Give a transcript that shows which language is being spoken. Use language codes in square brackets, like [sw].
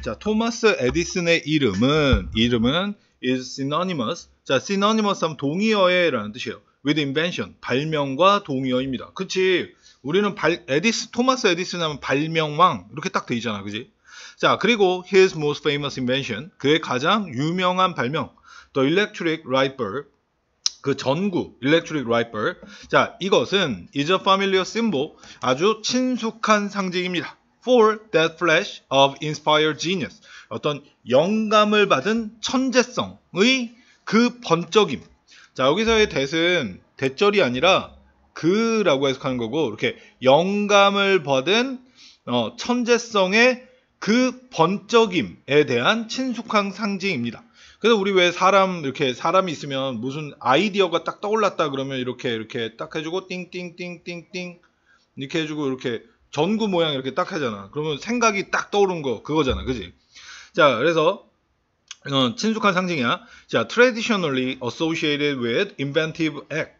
[ko] 자, 토마스 에디슨의 이름은 [en] is synonymous. [ko] 자, synonymous 하면 동의어예라는 뜻이에요. [en] With invention, [ko] 발명과 동의어입니다. 그치? 우리는 토마스 에디슨 하면 발명왕 이렇게 딱돼 있잖아, 그지? 자, 그리고 [en] his most famous invention, [ko] 그의 가장 유명한 발명, [en] the electric light bulb. [ko] 그 전구, [en] electric light bulb. [ko] 자, 이것은 [en] is a familiar symbol, [ko] 아주 친숙한 상징입니다. [en] For that flash of inspired genius, [ko] 어떤 영감을 받은 천재성의 그 번쩍임. 자, 여기서의 that은 대절이 아니라 그라고 해석하는 거고, 이렇게 영감을 받은 천재성의 그 번쩍임에 대한 친숙한 상징입니다. 그래서 우리 왜 사람이 있으면 무슨 아이디어가 딱 떠올랐다 그러면 이렇게 딱 해주고 띵띵띵띵띵 이렇게 해주고 이렇게 전구 모양 이렇게 딱 하잖아. 그러면 생각이 딱 떠오른 거 그거잖아, 그지? 자, 그래서 친숙한 상징이야. [en] 자, traditionally associated with inventive act.